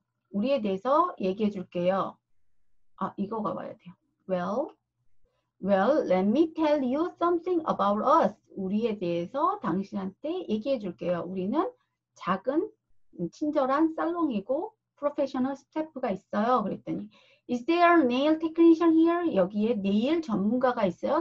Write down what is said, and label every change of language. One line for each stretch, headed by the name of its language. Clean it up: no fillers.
Korean: 우리에 대해서 얘기해 줄게요. 아, 이거가 와야 돼요.
English: Well, let me tell you something about us.
Korean: 우리에 대해서 당신한테 얘기해 줄게요. 우리는 작은 친절한 살롱이고 프로페셔널 스태프가 있어요.
English: 그랬더니 Is there a nail technician here?
Korean: 여기에 네일 전문가가 있어요?